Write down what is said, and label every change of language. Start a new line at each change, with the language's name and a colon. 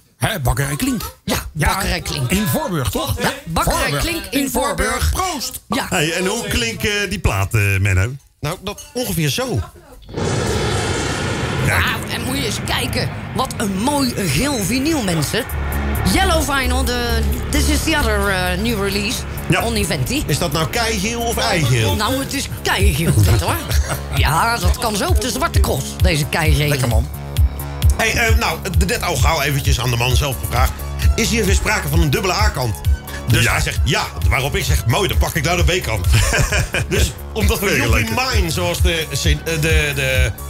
Dutch: Hè, Bakkerij Klink. Ja, Bakkerij Klink. In Voorburg, toch? Ja, Bakkerij Voorburg. Klink in Voorburg. Proost! Ja. Hey, en hoe klinkt die plaat, Menno? Nou, dat ongeveer zo. Ja, en moet je eens kijken. Wat een mooi geel vinyl, mensen.
English: Yellow Vinyl, this is the other new release. Ja. On Eventi.
Dutch: Is dat nou keigeel of eigeel? Nou, het is keigeel, dit, hoor. Ja, dat kan zo op de zwarte cross, deze keigeel. Lekker, man. Hey, nou, net al gauw eventjes aan de man zelf gevraagd. Is hier weer sprake van een dubbele A-kant? Dus hij zegt ja. Waarop ik zeg, mooi, dan pak ik nou de B-kant. Dus omdat we Joppie Mine, zoals de